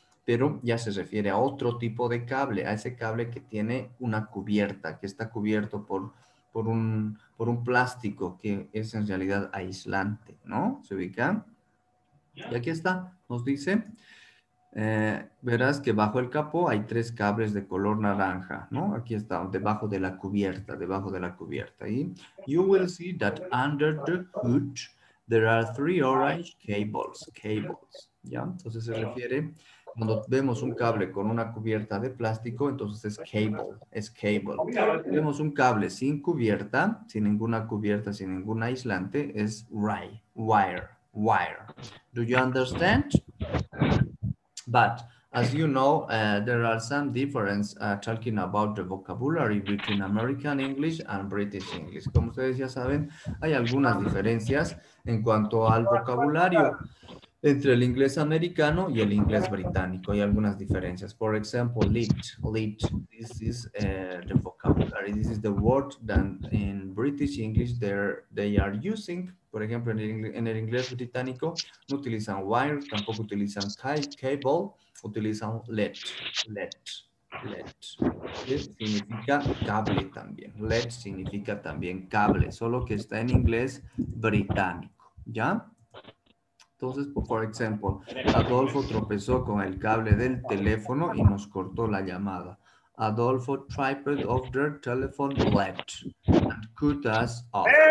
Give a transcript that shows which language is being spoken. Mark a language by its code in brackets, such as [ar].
[es] Pero ya se refiere a otro tipo de cable, a ese cable que tiene una cubierta, que está cubierto por un plástico que es en realidad aislante, ¿no? ¿Se ubica? Y aquí está, nos dice... verás que bajo el capó hay tres cables de color naranja, ¿no? Aquí está, debajo de la cubierta. [en] Y you will see that under the hood there are three orange cables, ¿ya? [es] Entonces se refiere, cuando vemos un cable con una cubierta de plástico, entonces es cable. Si vemos un cable sin cubierta, sin ninguna cubierta, sin ningún aislante, es wire. [en] Do you understand? But, as you know, there are some differences talking about the vocabulary between American English and British English. [es] Como ustedes ya saben, hay algunas diferencias en cuanto al vocabulario entre el inglés americano y el inglés británico. Hay algunas diferencias. [en] For example, lit, this is the vocabulary. This is the word that in British English they are using. [es] Por ejemplo, en el inglés británico no utilizan wire, tampoco utilizan cable, utilizan led. Led significa cable también. Led significa también cable, solo que está en inglés británico, ¿ya? Entonces, por ejemplo, Adolfo tropezó con el cable del teléfono y nos cortó la llamada. [en] Adolfo tripped off the telephone lead and cut us off.